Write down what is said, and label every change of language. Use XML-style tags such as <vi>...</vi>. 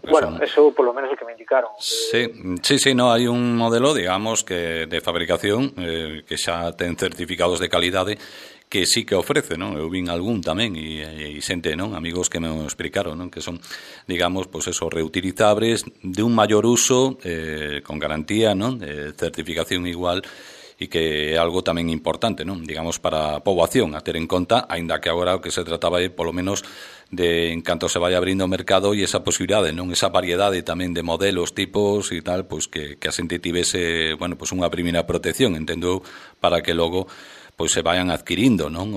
<es>bueno, eso por lo menos es lo que me indicaron.</es> <gl>Sí, no, hay un modelo, digamos, que de fabricación, que xa ten certificados de calidade, que sí que ofrece, ¿no? Eu vin algún tamén e xente, ¿no? Amigos que me explicaron, ¿no? Que son, digamos, pues eso, reutilizables de un maior uso, con garantía, ¿no? Certificación igual, e que é algo tamén importante, non? Digamos, para a poboación a ter en conta, aínda que agora o que se trataba é, polo menos, de en canto se vai abrindo o mercado e esa posibilidade, non? Esa variedade tamén de modelos, tipos e tal, pois que a xente tivese, bueno, pois unha primeira protección, entendo, para que logo pois se vayan adquirindo, non?</gl>